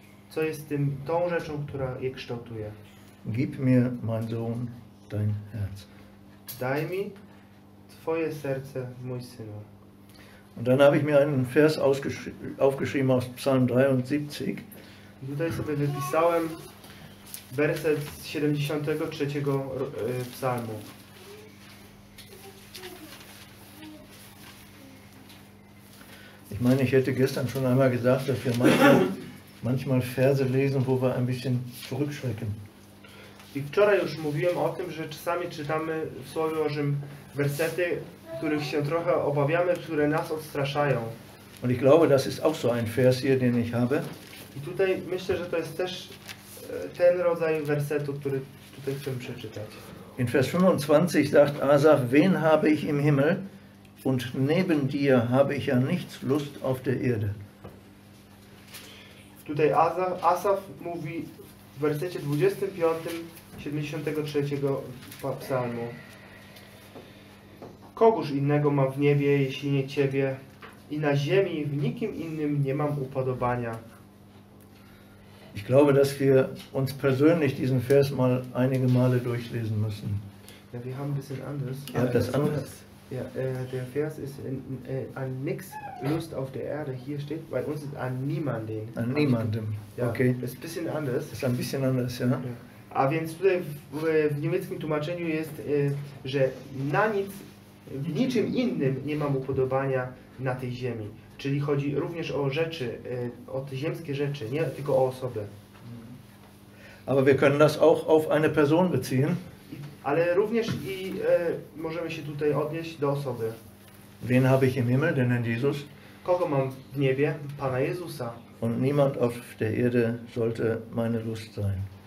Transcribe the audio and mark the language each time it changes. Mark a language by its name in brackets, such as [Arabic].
[Polish] Co jest tą rzeczą, która je kształtuje? [German] Gib mir, mein Sohn, dein Herz. [Polish] Daj mi twoje serce, mój synu. [German] Und dann habe ich mir einen Vers aufgeschrieben aus Psalm 73. [Polish] Tutaj sobie wypisałem werset 73 psalmu. [German] Ich meine, ich hätte gestern schon einmal gesagt, dass wir manchmal Verse lesen, wo wir ein bisschen zurückschrecken. [Polish] I wczoraj już mówiłem o tym, że czasami czytamy w Słowie Bożym wersety, których się trochę obawiamy, które nas odstraszają. [German] Und ich glaube, das ist auch so ein Vers hier, den ich habe. [Polish] I tutaj myślę, że to jest też ten rodzaj wersetu, który tutaj chcemy przeczytać. [German] In Vers 25 sagt Asaf, wen habe ich im Himmel und neben dir habe ich ja nichts Lust auf der Erde. [Polish] Tutaj Asaf mówi w wersecie 25, 73 psalmu. Kogóż innego mam w niebie, jeśli nie ciebie, i na ziemi w nikim innym nie mam upodobania. [German] Ich glaube, dass wir uns persönlich diesen Vers mal einige Male durchlesen müssen. Ja, wir haben ein bisschen anders. Ja, das anders. Ja, der Vers ist an nichts Lust auf der Erde. Hier steht, bei uns ist an niemanden. An niemandem. Ja, okay. Ist ein bisschen anders. Ist ein bisschen anders, ja. [Polish] A więc tutaj w niemieckim tłumaczeniu jest, że na nic, w niczym innym nie mam upodobania na tej ziemi. Czyli chodzi również o rzeczy, o te ziemskie rzeczy, nie tylko o osobę. [German] Aber wir können das auch auf eine Person beziehen. [Polish] Ale również i możemy się tutaj odnieść do osoby. [German] Wen habe ich im Himmel, den Herrn Jesus? [Polish] Kogo mam w niebie, Pana Jezusa. [German] Und niemand auf der Erde sollte meine Lust sein.